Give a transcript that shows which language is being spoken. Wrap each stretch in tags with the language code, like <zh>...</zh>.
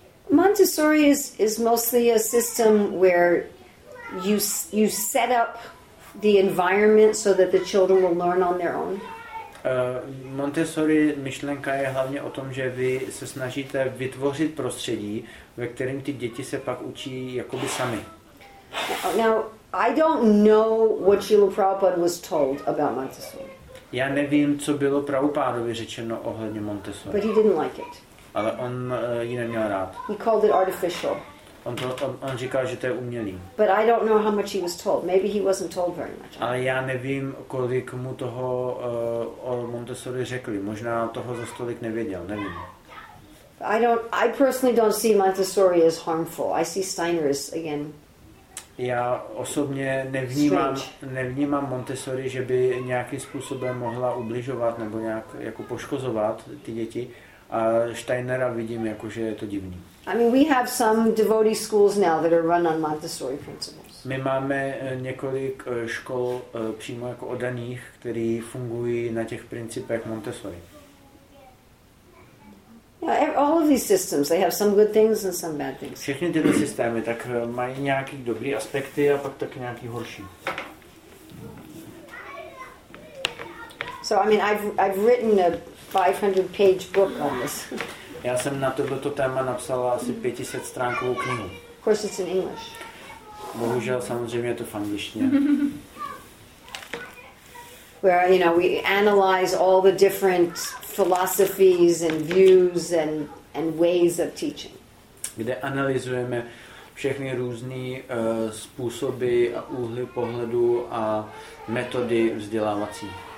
<en>Montessori is mostly a system where you set up the environment so that the children will learn on their own.</en> <cs>Montessori myšlenka je hlavně o tom, že vy se snažíte vytvořit prostředí, ve kterém ty děti se pak učí jakoby sami.</cs> <en>Now, I don't know what Srila Prabhupada was told about Montessori.</en> <cs>Já nevím, co bylo Prabhupádovi řečeno ohledně Montessori.</cs> <en>But he didn't like it.</en> <cs>Ale on ji neměl rád.</cs> <en>He called it artificial.</en> <cs>On říká, že to je umělý.</cs> <en>But I don't know how much he was told. Maybe he wasn't told very much.</en> <cs>Ale já nevím, kolik mu toho o Montessori řekli. Možná toho za stolik nevěděl, nevím.</cs> <en>I personally don't see Montessori as harmful. I see Steiner as again.</en> <cs>Já osobně nevnímám Montessori, že by nějakým způsobem mohla ubližovat nebo nějak jako poškozovat ty děti. A Steinera vidím jako, že je to divný.</cs> <en>I mean, we have some devotee schools now that are run on Montessori principles.</en> <cs>My máme několik škol přímo jako oddaných, které fungují na těch principech Montessori.</cs> <en>All of these systems, they have some good things and some bad things.</en> <cs>Všechny tyto systémy tak mají nějaký dobrý aspekty a pak taky nějaký horší.</cs> <en>So I mean, I've written a 500 page book on this.</en> <cs>Já jsem na toto téma napsala asi 500 stránkovou knihu.</cs> <en>Of course it's in English.</en> <cs>Bohužel samozřejmě je to v angličtině.</cs> <en>Where, you know, we analyze all the different philosophies and views and ways of teaching.</en> <cs>Kde analyzujeme všechny různé způsoby a úhly pohledu a metody vzdělávací.</cs>